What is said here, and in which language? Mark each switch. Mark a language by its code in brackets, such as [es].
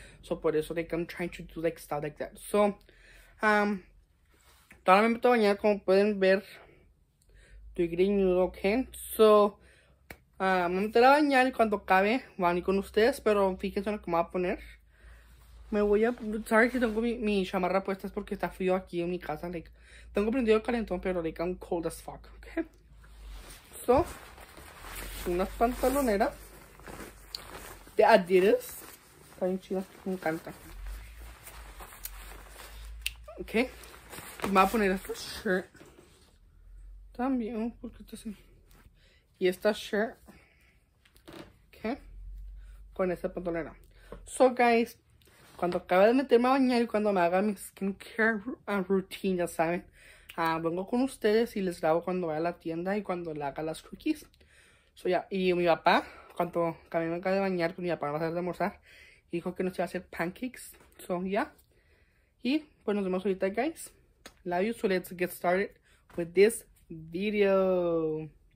[en] So, [es] por eso, [en] like, I'm trying to do, like, stuff like that. So. [es] Todavía me meto a bañar, como pueden ver. Estoy greñudo, ok. So, me meteré a bañar y cuando acabe, voy a venir con ustedes. Pero fíjense en lo que me voy a poner. Me voy a. Sorry si tengo mi chamarra puesta, es porque está frío aquí en mi casa. [en] Like, [es] tengo prendido el calentón, pero [en] like, I'm cold as fuck, ok. [es] So, unas pantaloneras de Adidas. Está bien chida, me encanta. Ok, me voy a poner esta shirt también, porque está así. Y esta shirt, ok, con esta pantalona. So, guys, cuando acabe de meterme a bañar y cuando me haga mi skincare routine, ya saben, vengo con ustedes y les grabo cuando vaya a la tienda y cuando le haga las cookies. So, ya, yeah. Y mi papá, cuando me acabe de bañar, pues mi papá va a hacer de almorzar, dijo que nos iba a hacer pancakes. So, ya. Yeah. Y pues nos vemos ahorita, guys. [en] Love you, so let's get started with this video.